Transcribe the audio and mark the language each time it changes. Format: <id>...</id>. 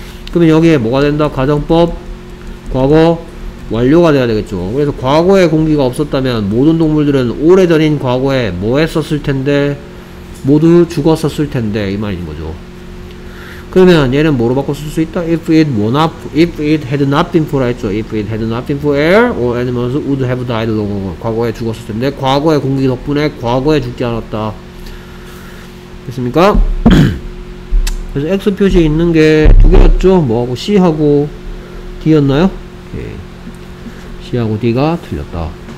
<ko>그러면 여기에 뭐가 된다? 과정법 과거 완료가 돼야 되겠죠. 그래서 과거에 공기가 없었다면 모든 동물들은 오래전인 과거에 뭐 했었을 텐데? 모두 죽었었을 텐데 이 말인 거죠. 그러면 얘는 뭐로 바꿔 쓸 수 있다?</ko> <en>If it were not, if it had not been for 했죠. If it had not been for air, all animals would have died long ago.</en> <ko>과거에 죽었을 텐데 과거의 공기 덕분에 과거에 죽지 않았다. 됐습니까? 그래서 X 표시 있는 게 두 개였죠. 뭐하고 C하고 D였나요? 오케이. C하고 D가 틀렸다.</ko>